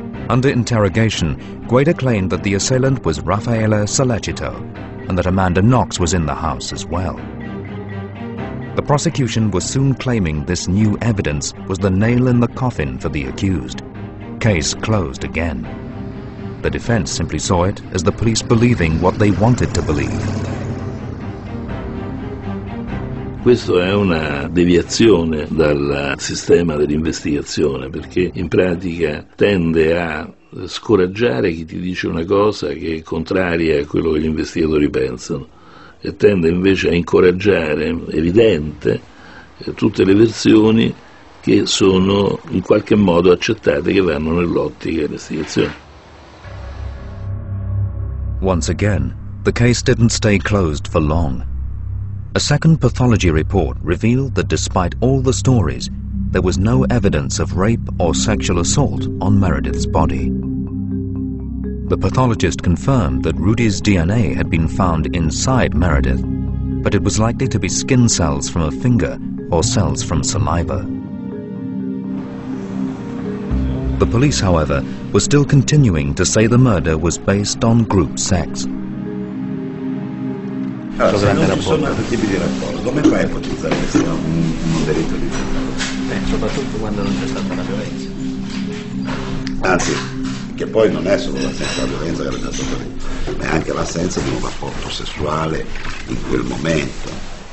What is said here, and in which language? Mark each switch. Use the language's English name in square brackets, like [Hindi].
[English] Under interrogation, Guaida claimed that the assailant was Raffaele Sollecito and that Amanda Knox was in the house as well. The prosecution was soon claiming this new evidence was the nail in the coffin for the accused. Case closed again. The defense simply saw it as the police believing what they wanted to believe. [Italian] Questo è una deviazione dal sistema dell'investigazione, perché in pratica tende a scoraggiare chi ti dice una cosa che è contraria a quello che gli investigatori pensano, e tende invece a incoraggiare, evidente, tutte le versioni che sono in qualche modo accettate, che vanno nell'ottica dell'investigazione. [English] Once again, the case didn't stay closed for long. A second pathology report revealed that despite all the stories, there was no evidence of rape or sexual assault on Meredith's body. The pathologist confirmed that Rudy's DNA had been found inside Meredith, but it was likely to be skin cells from a finger or cells from saliva. The police, however, were still continuing to say the murder was based on group sex. [Italian] Allora, se non ci sono altri tipi di rapporto, come fai a ipotizzare che sia un delitto di sesso? Soprattutto quando non c'è stata la violenza. Anzi, che poi non è solo l'assenza della violenza che è stata lì, ma è anche l'assenza di un rapporto sessuale in quel momento.